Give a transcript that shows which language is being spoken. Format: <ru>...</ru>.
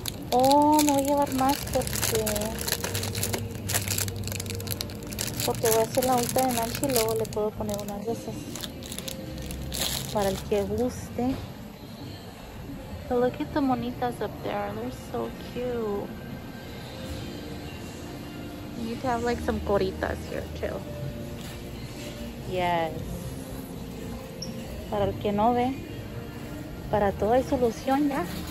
<es>Oh, me voy a llevar más porque voy a hacer la agüita de Nancy y luego le puedo poner unas de esas para el que guste.</es> <en>So look at the monitas up there. They're so cute. You need to have like some coritas here too. Yes.</en> <es>Para el que no ve, para todo hay solución ya.</es>